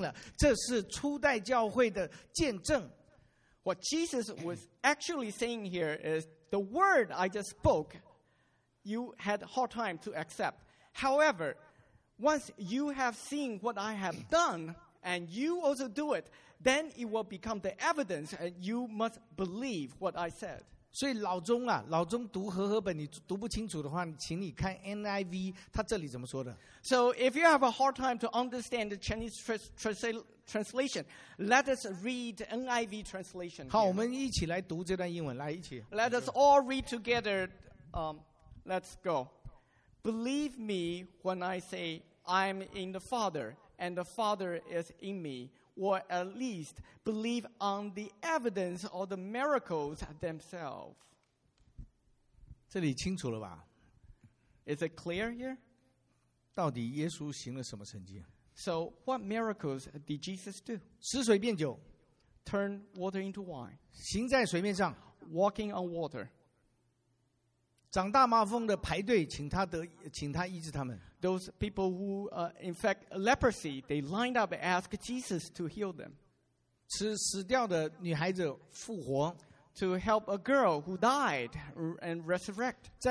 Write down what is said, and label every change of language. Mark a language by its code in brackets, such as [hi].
[zh] 耶稣说的是，我说的话你们信不来，但是看见我所做的神迹，这下就信了。这是初代教会的见证。 [en] What Jesus was actually saying here is, the word I just spoke, you had a hard time to accept. However, once you have seen what I have done, and you also do it, then it will become the evidence and you must believe what I said. [zh] 所以老中啊, 老中读和合本, 你读不清楚的话, 请你看 NIV, 他这里怎么说的? [en] So if you have a hard time to understand the Chinese translation, let us read NIV translation. [zh] 好,我们一起来读这段英文, 来,一起。 [en] Let us all read together. Let's go. Believe me when I say I'm in the Father and the Father is in me, or at least believe on the evidence or the miracles themselves. [zh] 这里清楚了吧? [en] Is it clear here? [zh] 到底耶稣行了什么神迹? [en] So what miracles did Jesus do? [zh] 使水变酒, [en] turn water into wine. [zh] 行在水面上, [en] walking on water. [zh] 长大麻风的排队, 请他医治他们。 [en] Those people who infect leprosy, they lined up and asked Jesus to heal them. [zh] 吃死掉的女孩子复活, [en] to help a girl who died and resurrect.